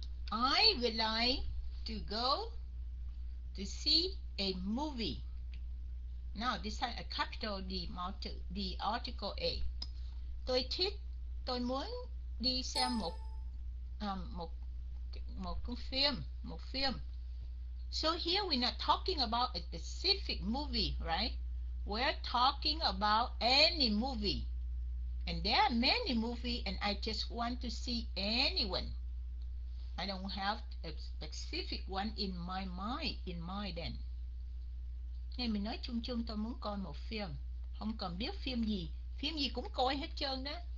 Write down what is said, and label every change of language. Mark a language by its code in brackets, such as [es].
[en] I would like to go to see a movie. Now, this is a capital D, the article A. [vi] Tôi muốn đi xem một cuốn phim, một phim. [en] So here we're not talking about a specific movie, right? We're talking about any movie. And there are many movies, and I just want to see anyone. I don't have a specific one in my mind, in my then. [vi] Nên mình nói chung chung tôi muốn coi một phim. Không cần biết phim gì cũng coi hết trơn đó.